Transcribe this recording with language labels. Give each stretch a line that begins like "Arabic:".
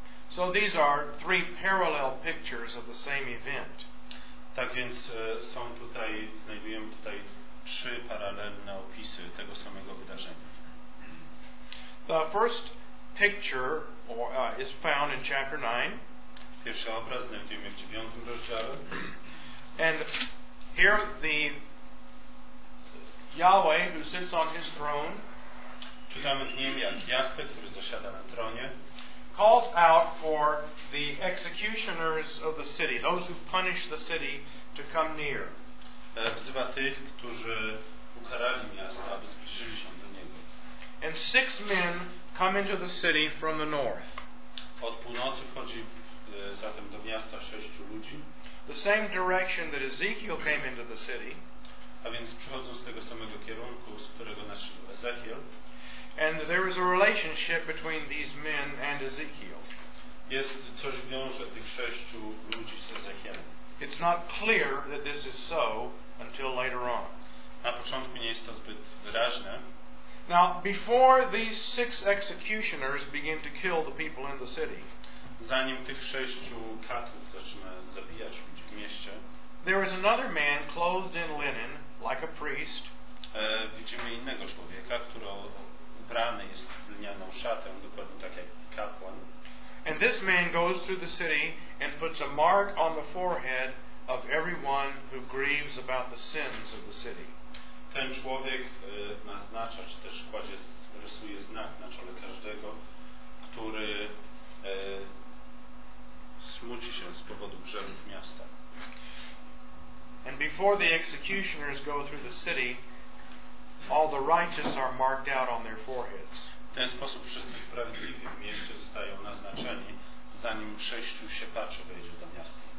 English: So these are three parallel pictures of the same event.
Polish: Tak więc są tutaj, znajdujemy tutaj trzy paralelne opisy tego samego wydarzenia.
English: The first picture is found in chapter 9.
Polish: Pierwszy obraz znajdujemy w 9 rozdziale.
English: And here the Yahweh who sits on his throne.
Polish: Czytamy w nim, jak Jahwe, który zasiada na tronie,
English: calls out for the executioners of the city, those who punish the city, to come near.
Polish: Wzywa tych, którzy ukarali miasto, aby zbliżyli się do niego.
English: And six men come into the city from the north.
Polish: Od północy wchodzi zatem do miasta sześciu ludzi.
English: The same direction that Ezekiel came into the city.
Polish: A więc przychodzą z tego samego kierunku, z którego naszedł Ezechiel.
English: And there is a relationship between these men and Ezekiel.
Polish: Jest coś wiąże tych sześciu ludzi z Ezechielem.
English: It's not clear that this is so until later on.
Polish: Na początku nie jest to zbyt wyraźne.
English: Now, before these six executioners begin to kill the people in the city,
Polish: zanim tych sześciu katów zaczyna zabijać ludzi w mieście,
English: there is another man clothed in linen, like a priest.
Polish: Widzimy innego człowieka, który ubrany jest w lnianą szatę, dokładnie tak jak kapłan.
English: And this man goes through the city and puts a mark on the forehead of everyone who grieves about the sins of the city.
Polish: Ten człowiek naznacza, czy też kładzie, rysuje znak na czole każdego, który smuci się z powodu grzechów miasta.
English: And before the executioners go through the city, all the righteous are marked out on their foreheads.
Polish: W ten sposób wszyscy sprawiedliwi w mieście zostają naznaczeni, zanim sześciu siepaczy wejdzie do miasta.